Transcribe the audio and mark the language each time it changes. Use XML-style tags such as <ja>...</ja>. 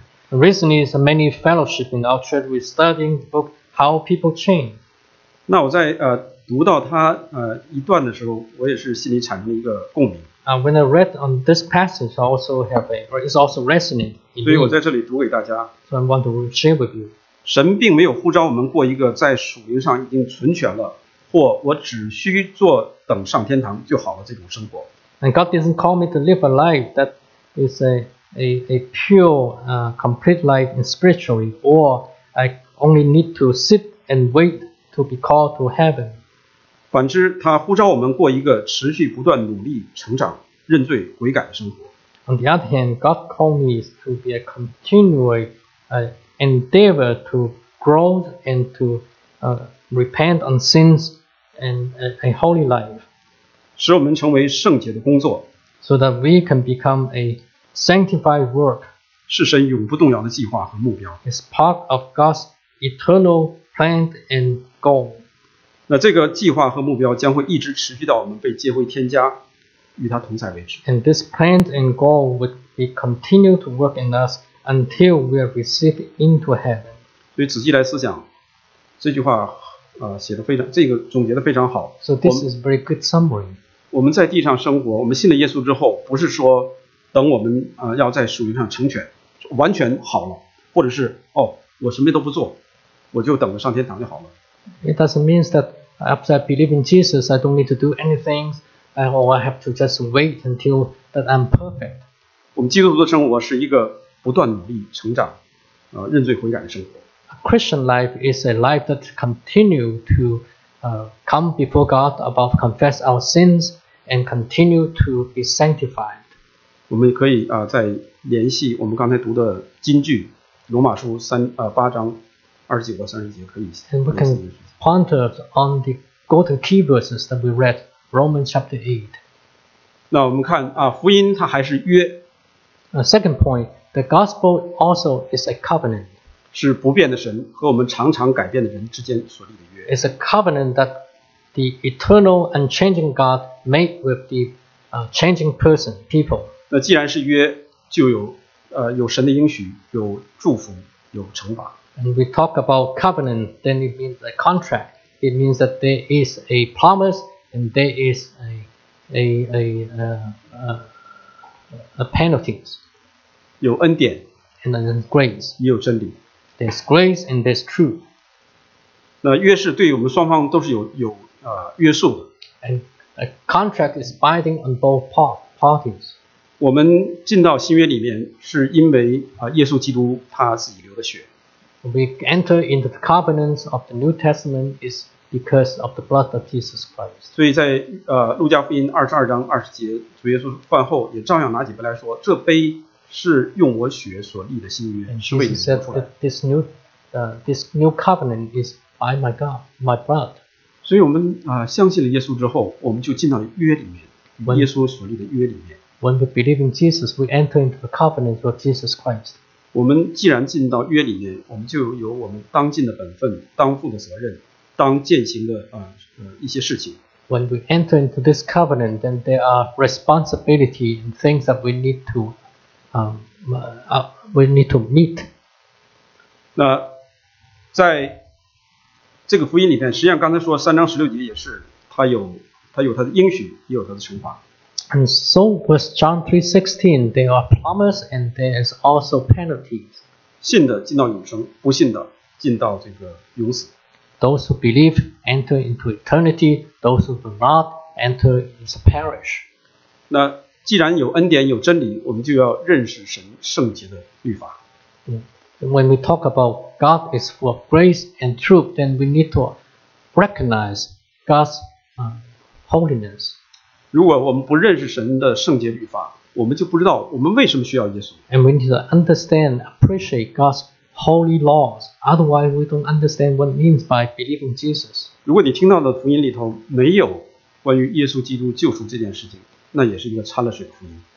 <en>Recently, so many fellowship in our church, we're studying the book, How People Change.</en> <zh>那我在读到它一段的时候，我也是心里产生一个共鸣。</zh> <en>When I read on this passage, I also have a, or it's also resonant in me.</en> <zh>所以我在这里读给大家。</zh> <en>So I want to share with you.</en> <zh>神并没有呼召我们过一个在属灵上已经存全了，或我只需做等上天堂就好了这种生活。</zh> <en>And God doesn't call me to live a life that is a pure, complete life spiritually, or I only need to sit and wait to be called to heaven.</en> <zh>反之，他呼召我们过一个持续不断努力成长、认罪悔改的生活。</zh> <en>On the other hand, God called me to be a continually endeavor to grow and to repent on sins and a holy life.</en> <zh>使我们成为圣洁的工作。</zh> <en>So that we can become a sanctified work.</en> <zh>是神永不动摇的计划和目标。</zh> <en>It's part of God's eternal plan and goal.</en> <zh>那这个计划和目标将会一直持续到我们被接回天家与他同在为止。</zh> <en>And this plan and goal would be continue to work in us. Until we are received into heaven.</en> <zh>所以仔细来思想，这句话写得非常，这个总结得非常好。</zh> <en>So this is a very good summary.</en> <zh>我们在地上生活，我们信了耶稣之后，不是说等我们要在属灵上成全，完全好了，或者是哦，我什么都不做，我就等着上天堂就好了。</zh> <en>It doesn't mean that after I believe in Jesus, I don't need to do anything, or I have to just wait until that I'm perfect.</en> <zh>我们基督徒的生活是一个不断努力成长，认罪悔改的生活。</zh> <en>A Christian life is a life that continue to come before God, above confess our sins, and continue to be sanctified.</en> <zh>我们可以再联系我们刚才读的金句，罗马书八章二十九到三十节，可以。</zh> <en>And we can point on the golden key verses that we read, Romans chapter 8.</en> <zh>那我们看福音它还是约。</zh> <en>A second point, the gospel also is a covenant.</en> <zh>是不变的神和我们常常改变的人之间所立的约。</zh> <en>It's a covenant that the eternal, unchanging God made with the changing person, people.</en> <zh>那既然是约，就有神的应许，有祝福，有惩罚。</zh> <en>And we talk about covenant, then it means a contract. It means that there is a promise and there is a penalties.</en> <zh>有恩典</zh> <en>and then grace.</en> <zh>也有真理。</zh> <en>There's grace and there's truth.</en> <zh>那约是对我们双方都是有约束的。</zh> <en>And a contract is binding on both parties.</en> <zh>我们进到新约里面是因为耶稣基督他自己流的血。</zh> <en>We enter into the covenants of the New Testament is because of the blood of Jesus Christ.</en> <zh>所以在路加福音二十二章二十节，主耶稣饭后也照样拿起杯来说，这杯。是用我血所立的新约，是为你们出来。</zh> <en>This new covenant is by my God, my blood.</en> <zh>所以我们相信了耶稣之后，我们就进到约里面，耶稣所立的约里面。</zh> <en>When we believe in Jesus, we enter into the covenant of Jesus Christ.</en> <zh>我们既然进到约里面，我们就有我们当尽的本分、当负的责任、当践行的一些事情。</zh> <en>When we enter into this covenant, then there are responsibility and things that we need to. We need to meet.</en> <zh>那在这个福音里面，实际上刚才说三章十六节也是，它有它的应许，也有它的惩罚。</zh> <en>And so was John 3:16. There are promise and there is also penalties.</en> <zh>信的进到永生，不信的进到这个永死。</zh> <en>Those who believe enter into eternity. Those who do not enter into perish.</en> <zh>那既然有恩典有真理，我们就要认识神圣洁的律法。</zh> <en>When we talk about God is full of grace and truth, then we need to recognize God's holiness.</en> <zh>如果我们不认识神的圣洁律法，我们就不知道我们为什么需要耶稣。</zh> <en>And we need to understand, appreciate God's holy laws. Otherwise, we don't understand what it means by believing Jesus.</en> <zh>如果你听到的福音里头没有关于耶稣基督救赎这件事情，那也是一个掺了水的福音。</zh>